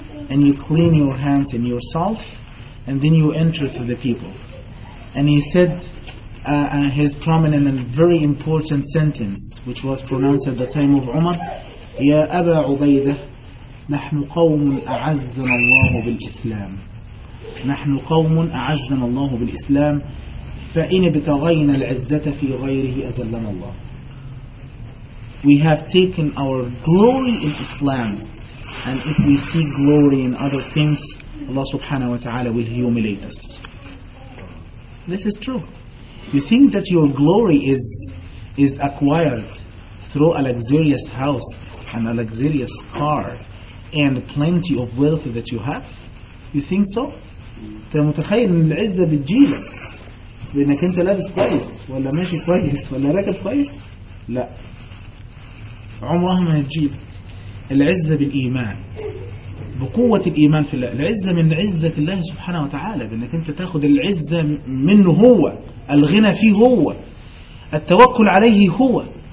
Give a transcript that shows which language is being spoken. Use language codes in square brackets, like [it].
[en] and you clean your hands and yourself, and then you enter to the people. And he said his prominent and very important sentence, which was pronounced at the time of Umar, Ya Aba Ubaidah, [ar] نحن قوم أعزنا الله بالإسلام. نحن قوم أعزنا الله بالإسلام. فإن ابتغينا العزة في غيره أذلنا الله. [en] We have taken our glory in Islam, and if we seek glory in other things, Allah subhanahu wa ta'ala will humiliate us. This is true. You think that your glory is acquired through a luxurious house and a luxurious car and plenty of wealth that you have? You think so? [ar] متخيل ان العزة بتجيلك بانك انت لابس كويس ولا ماشي كويس ولا راكب كويس؟ لا. عمرها ما هتجيب. العزة بالإيمان. بقوة الإيمان في الله. العزة من عزة الله سبحانه وتعالى، بانك انت تاخذ العزة منه هو، الغنى فيه هو، التوكل عليه هو.